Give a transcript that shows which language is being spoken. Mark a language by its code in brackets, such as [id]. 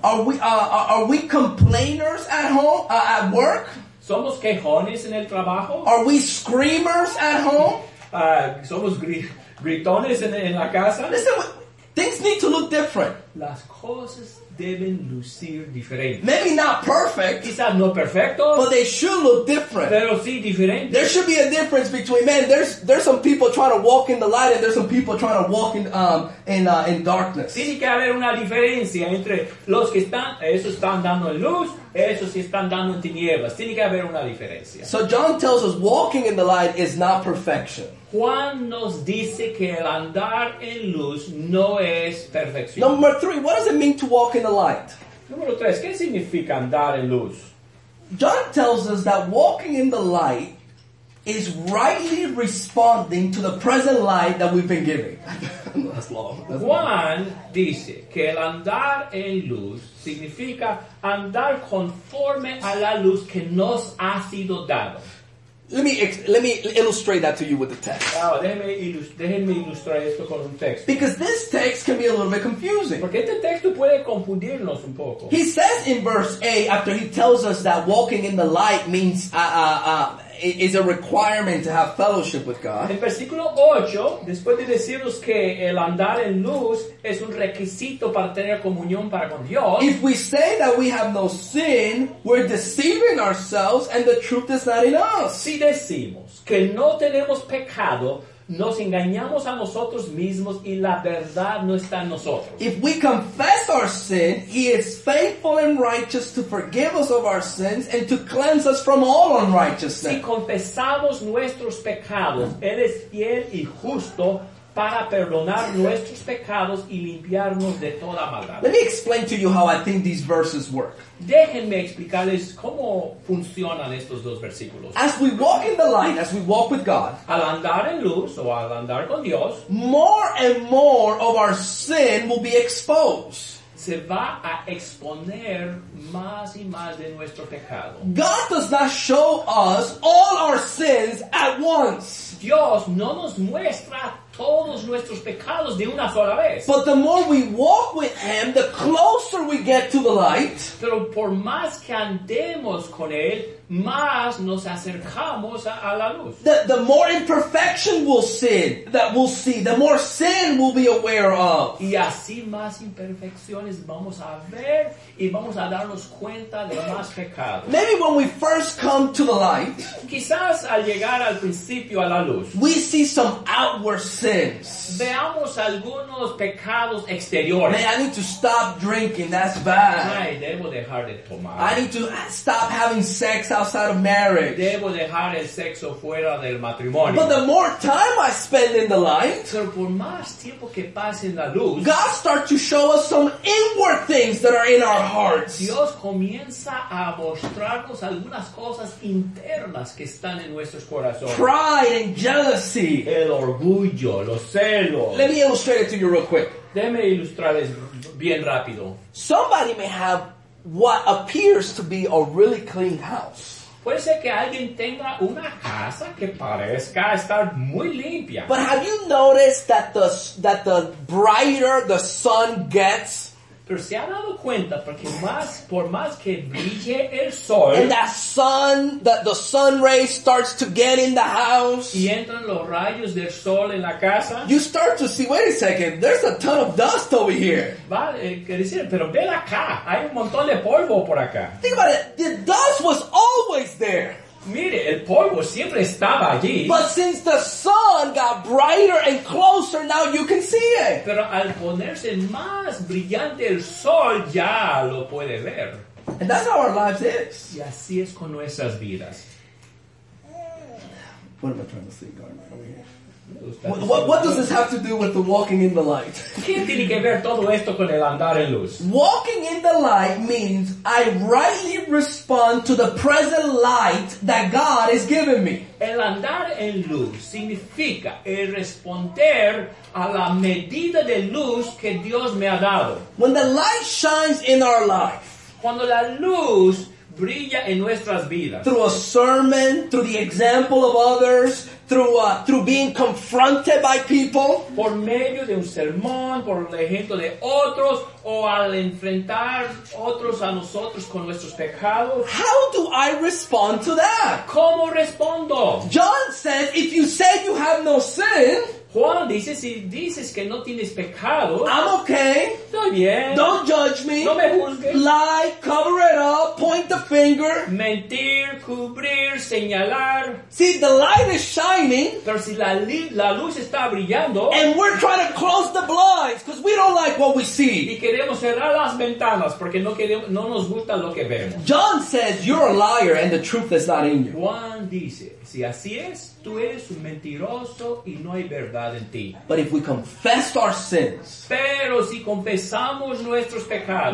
[en] Are we complainers at home at work? [es] ¿Somos quejones en el trabajo? [en] Are we screamers at home? [es] Somos gritones en la casa. [en] Listen, things need to look different. [es] Las cosas deben lucir diferente. [en] Maybe not perfect. [es] Quizás no perfecto. [en] But they should look different. [es] Pero sí diferente. [en] There should be a difference between, man, there's some people trying to walk in the light and there's some people trying to walk in darkness. [es] Tiene que haber una diferencia entre los que están, esos están dando en luz, esos sí están dando en tinieblas. Tiene que haber una diferencia. [en] So John tells us walking in the light is not perfection. [es] Juan nos dice que el andar en luz no es perfección. [en] Number three, what does it mean to walk in the light? [es] Número tres, ¿qué significa andar en luz? [en] John tells us that walking in the light is rightly responding to the present light that we've been given. That's long. That's [es] Juan [en] long. [es] Dice que el andar en luz significa andar conforme a la luz que nos ha sido dado. [en] Let me illustrate that to you with the text. [es] Oh, déjeme ilustrar esto con un texto. [en] Because this text can be a little bit confusing. [es] Porque este texto puede confundirnos un poco. [en] He says in verse 8, after he tells us that walking in the light means is a requirement to have fellowship with God. [es] En versículo 8, después de decirnos que el andar en luz es un requisito para tener comunión para con Dios. [en] If we say that we have no sin, we're deceiving ourselves and the truth is not in us. [es] Si decimos que no tenemos pecado, nos engañamos a nosotros mismos y la verdad no está en nosotros. [en] If we confess our sin, he is faithful and righteous to forgive us of our sins and to cleanse us from all unrighteousness. [es] Si confesamos nuestros pecados, él es fiel y justo para perdonar nuestros pecados y limpiarnos de toda maldad. [en] Let me explain to you how I think these verses work. [es] Déjenme explicarles cómo funcionan estos dos versículos. [en] As we walk in the light, as we walk with God, [es] al andar en luz o al andar con Dios, [en] more and more of our sin will be exposed. [es] Se va a exponer más y más de nuestro pecado. [en] God does not show us all our sins at once. [es] Dios no nos muestra todos nuestros pecados de una sola vez. [en] But the more we walk with Him, the closer we get to the light. [es] Pero por más que andemos con Él, más nos acercamos a la luz. [en] The more imperfection we'll see, the more sin we'll be aware of. [es] Y así más imperfecciones vamos a ver y vamos a darnos cuenta de más pecados. [en] Maybe when we first come to the light, [es] quizás al llegar al principio a la luz, [en] we see some outward sins. [es] Veamos algunos pecados exteriores. [en] Man, I need to stop drinking. That's bad. [es] Ay, debo dejar de tomar. [en] I need to stop having sex outside of marriage. [es] Debo dejar el sexo fuera del matrimonio. [en] But the more time I spend in the light, [es] pero por más tiempo que pase en la luz, [en] God starts to show us some inward things that are in our hearts. [es] Dios comienza a mostrarnos algunas cosas internas que están en nuestros corazones. [en] Pride and jealousy. [es] El orgullo, los celos. [en] Let me illustrate it to you real quick. [es] Déjame ilustrarles bien rápido. [en] Somebody may have what appears to be a really clean house. [es] Puede ser que alguien tenga una casa que parezca estar muy limpia. [en] But have you noticed that the brighter the sun gets, [es] pero se ha dado cuenta porque más, por más que brille el sol, [en] and that sun, the sun rays starts to get in the house, [es] y entran los rayos del sol en la casa, [en] you start to see, wait a second, there's a ton of dust over here. [es] Vale, quiere decir, pero ven acá, hay un montón de polvo por acá. [en] Think about it, the dust was always there. [es] Mire, el polvo siempre estaba allí. [en] But since the sun got brighter and closer, now you can see it. [es] Pero al ponerse más brillante el sol, ya lo puede ver. [en] And that's how our lives is. [es] Y así es con nuestras vidas. [en] What am I trying to say, Garner? Over here. What does this have to do with the walking in the light? [es] ¿Qué tiene que ver todo esto con el andar en luz? [en] Walking in the light means I rightly respond to the present light that God has given me. [es] El andar en luz significa el responder a la medida de luz que Dios me ha dado. [en] When the light shines in our life, [es] cuando la luz brilla en nuestras vidas, [en] through a sermon, through the example of others, through being confronted by people, [es] por medio de un sermón, por el ejemplo de otros, o al enfrentar otros a nosotros con nuestros pecados, [en] how do I respond to that? [es] ¿Cómo respondo? [en] John says, if you say you have no sin, [es] Juan dice, si dices que no tienes pecado, [en] I'm okay. [es] Estoy bien. [en] Don't judge me. [es] No me juzgues. [en] Lie, cover it up, point the finger. [es] Mentir, cubrir, señalar. [en] See, the light is shining. [es] Pero si la luz está brillando. [en] And we're trying to close the blinds because we don't like what we see. [es] Y queremos cerrar las ventanas porque no nos gusta lo que vemos. [en] John says, you're a liar and the truth is not in you. [es] Juan dice, si así es, tú eres un mentiroso y no hay verdad en ti. [en] But if we confess our sins, [es] pero si confesamos nuestros pecados,